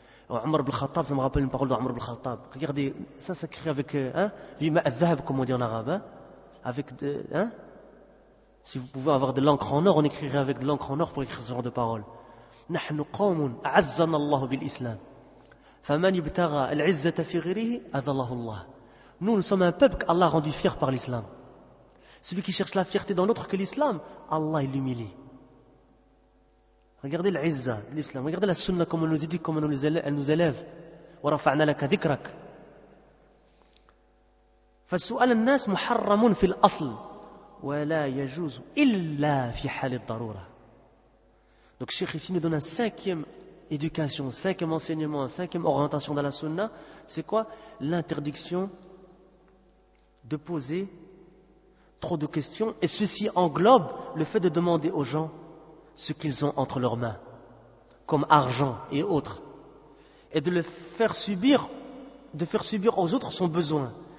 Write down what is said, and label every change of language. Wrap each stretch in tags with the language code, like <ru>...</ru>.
<fr>عمر بن الخطاب ça me rappelle une parole d'Omar ibn al-Khattab. Regardez ça s'écrit avec l'imam al-Dhahab comme on dit en arabe, avec si vous pouvez avoir de l'encre en or, on écrirait avec de l'encre en or pour écrire ce genre de paroles.</fr> <ar>نحن قوم عزنا الله بالإسلام فمن يبتغى العزة في غيره أذله الله.</ar> <fr>Nous, nous sommes un peuple qu'Allah a rendu fier par l'islam. Celui qui cherche la fierté dans l'autre que l'islam, Allah l'humilie. Regardez العزة, l'islam. Regardez la sunna, comme on nous dit, comme elle nous élève.</fr> <ar>ورفعنا لك ذكرك. فسؤال الناس محرم في الأصل. ولا يجوز إلا في حال الضرورة.</ar> <fr>Donc Cheikh ici nous donne un cinquième éducation, un cinquième enseignement, un cinquième orientation dans la sunna. C'est quoi? L'interdiction de poser trop de questions, et ceci englobe le fait de demander aux gens ce qu'ils ont entre leurs mains, comme argent et autres, et de le faire subir, de faire subir aux autres son besoin.</fr>